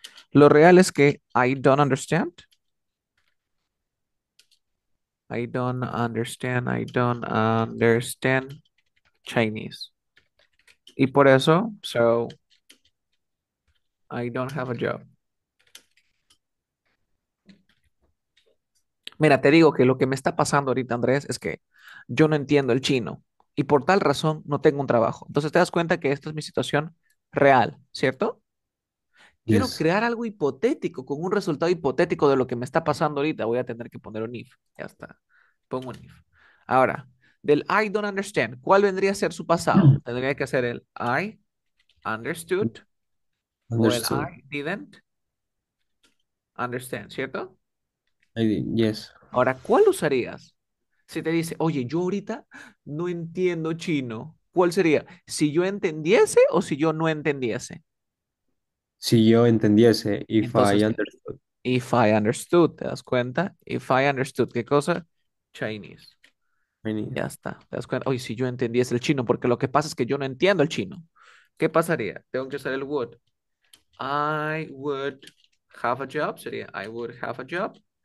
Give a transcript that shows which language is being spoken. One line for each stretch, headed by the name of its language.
Spanish: Lo real es que
English: I don't understand. I don't understand. I don't understand Chinese.
Spanish: Y por eso,
English: so, I don't have a job.
Spanish: Mira, te digo que lo que me está pasando ahorita, Andrés, es que yo no entiendo el chino y por tal razón no tengo un trabajo. Entonces te das cuenta que esta es mi situación real, ¿cierto? Quiero
English: Yes.
Spanish: crear algo hipotético con un resultado hipotético de lo que me está pasando ahorita. Voy a tener que poner un if. Ya está. Pongo un if. Ahora, del
English: I don't understand,
Spanish: ¿cuál vendría a ser su pasado? Tendría que ser el
English: I understood
Spanish: o el I
English: Understood. didn't understand,
Spanish: ¿cierto?
English: Yes.
Spanish: Ahora, ¿cuál usarías? Si te dice, oye, yo ahorita no entiendo chino, ¿cuál sería? ¿Si yo entendiese o si yo no entendiese? Si yo entendiese,
English: if I understood. if I understood,
Spanish: ¿te das cuenta?
English: If I understood,
Spanish: ¿qué cosa?
English: Chinese.
Spanish: Ya está, ¿te das cuenta? Oye, si yo entendiese el chino, porque lo que pasa es que yo no entiendo el chino. ¿Qué pasaría? Tengo que usar el would.
English: I would have a job,
Spanish: sería
English: I would have a job.